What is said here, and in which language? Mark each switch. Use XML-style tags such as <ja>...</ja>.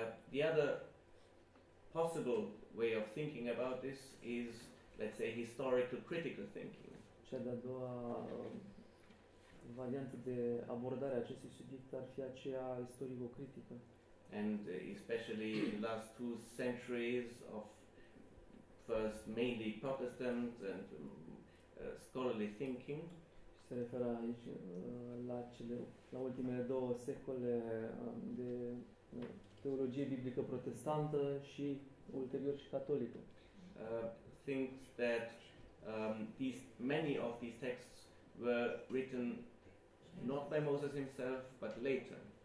<en>The other possible way of thinking about this is, let's say, historical critical thinking.</en> <ro>Cea de-a doua variantă de abordare a acestui subiect ar fi aceea istorico-critică.</ro> <en>And especially in the last two centuries of first mainly Protestant and scholarly thinking.</en> <ro>Se referă aici la cele, la ultimele două secole de teologie biblică protestantă și ulterior și catolică.</ro> <en>Thinks that these many of these texts were written not by Moses himself but later.</en>